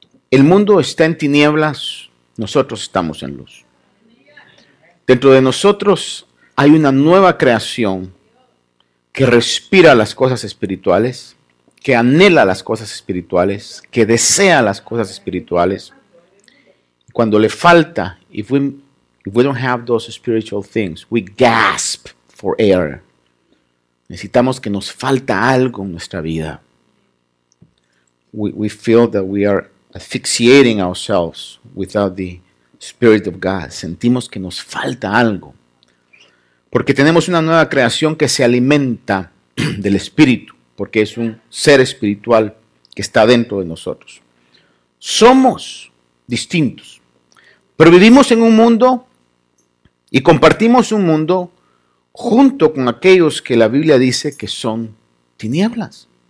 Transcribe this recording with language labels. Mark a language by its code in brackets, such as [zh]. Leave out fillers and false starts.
[es] El mundo está en tinieblas, nosotros estamos en luz. Dentro de nosotros hay una nueva creación que respira las cosas espirituales, que anhela las cosas espirituales, que desea las cosas espirituales. Cuando le falta, [en] if we don't have those spiritual things, we gasp for air. [es] Necesitamos que nos falta algo en nuestra vida. [en] We feel that we are asphyxiating ourselves without the Spirit of God. [es] Sentimos que nos falta algo. Porque tenemos una nueva creación que se alimenta del Espíritu, porque es un ser espiritual que está dentro de nosotros. Somos distintos, pero vivimos en un mundo y compartimos un mundo junto con aquellos que la Biblia dice que son tinieblas.